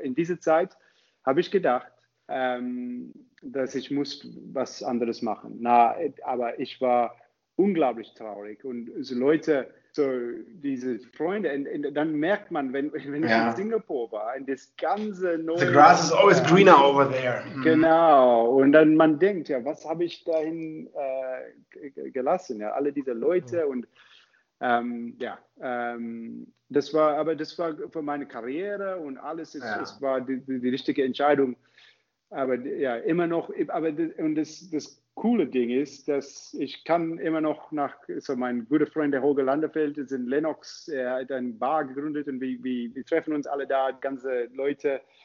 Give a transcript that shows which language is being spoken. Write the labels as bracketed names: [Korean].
[German] In dieser Zeit habe ich gedacht, dass ich muss was anderes machen. Aber ich war unglaublich traurig. Und so Leute, so diese Freunde, und dann merkt man, wenn ich in Singapur war, in das ganze [English] neue... The grass is always greener over there. [German] Genau. Und dann man denkt, ja, was habe ich dahin gelassen? Ja, alle diese Leute und das war für meine Karriere und alles. Es war die richtige Entscheidung. Aber ja, immer noch, aber und das coole Ding ist, dass ich kann immer noch nach, so mein guter Freund, der Holger Landerfeld, ist in Lennox, er hat ein Bar gegründet und wir treffen uns alle da, ganze Leute